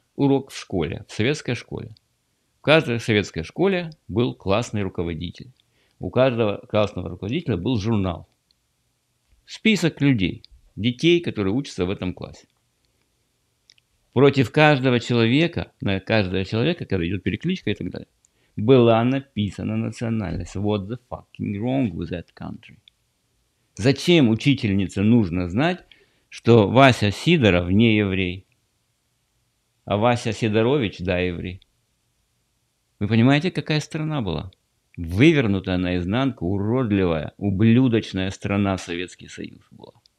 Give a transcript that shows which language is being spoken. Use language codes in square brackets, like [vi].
[ru] урок в школе, в советской школе. В каждой советской школе был классный руководитель. У каждого классного руководителя был журнал. Список людей, детей, которые учатся в этом классе. Против каждого человека, на каждого человека, когда идет перекличка и так далее, была написана национальность. [en] What the fucking wrong with that country? [ru] Зачем учительнице нужно знать, что Вася Сидоров не еврей, а Вася Сидорович, да, еврей? Вы понимаете, какая страна была? Вывернутая наизнанку, уродливая, ублюдочная страна Советский Союз была.